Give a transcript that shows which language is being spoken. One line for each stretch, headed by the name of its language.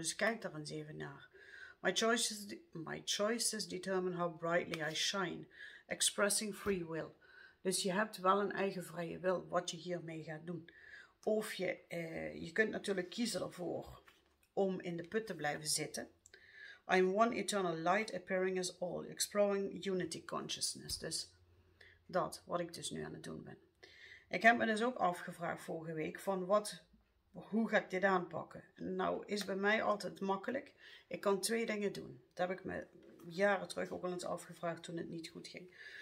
Dutch: Dus kijk daar eens even naar.
English: My choices determine how brightly I shine. Expressing free will.
Dutch: Dus je hebt wel een eigen vrije wil wat je hiermee gaat doen. Of je kunt natuurlijk kiezen ervoor om in de put te blijven zitten.
English: I'm one eternal light appearing as all, exploring unity consciousness.
Dutch: Dus dat, wat ik dus nu aan het doen ben. Ik heb me dus ook afgevraagd vorige week van hoe ga ik dit aanpakken? Nou, is bij mij altijd makkelijk. Ik kan twee dingen doen. Dat heb ik me jaren terug ook al eens afgevraagd toen het niet goed ging.